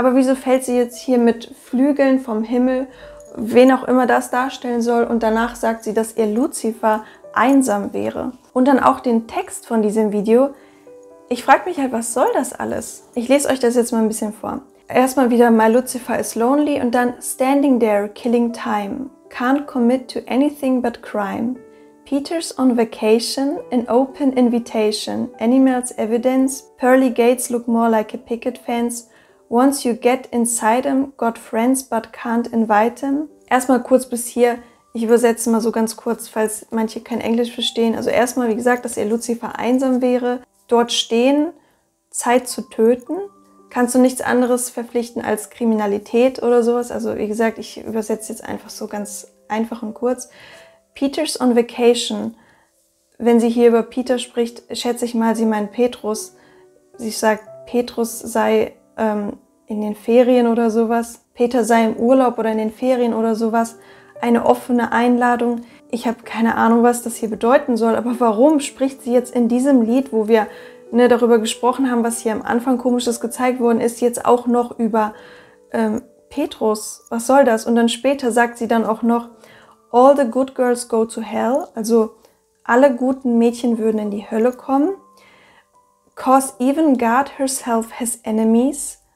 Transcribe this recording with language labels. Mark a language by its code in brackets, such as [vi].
[de] Aber wieso fällt sie jetzt hier mit Flügeln vom Himmel, wen auch immer das darstellen soll, und danach sagt sie, dass ihr Lucifer einsam wäre. Und dann auch den Text von diesem Video. Ich frage mich halt, was soll das alles? Ich lese euch das jetzt mal ein bisschen vor. Erstmal wieder, [en] my Lucifer is lonely, [de] und dann [en] standing there, killing time. Can't commit to anything but crime. Peter's on vacation, an open invitation. Animals evidence, pearly gates look more like a picket fence. Once you get inside them, got friends but can't invite them. [de] Erstmal kurz bis hier, ich übersetze mal so ganz kurz, falls manche kein Englisch verstehen. Also erstmal, wie gesagt, dass ihr Lucifer einsam wäre. Dort stehen, Zeit zu töten. Kannst du nichts anderes verpflichten als Kriminalität oder sowas? Also wie gesagt, ich übersetze jetzt einfach so ganz einfach und kurz. [en] Peter's on vacation. [de] Wenn sie hier über Peter spricht, schätze ich mal, sie meint Petrus. Sie sagt, Petrus sei in den Ferien oder sowas. Peter sei im Urlaub oder in den Ferien oder sowas. Eine offene Einladung. Ich habe keine Ahnung, was das hier bedeuten soll, aber warum spricht sie jetzt in diesem Lied, wo wir darüber gesprochen haben, was hier am Anfang Komisches gezeigt worden ist, jetzt auch noch über Petrus. Was soll das? Und dann später sagt sie dann auch noch, [en] all the good girls go to hell. [de] Also alle guten Mädchen würden in die Hölle kommen. [en] Cause even God herself has enemies.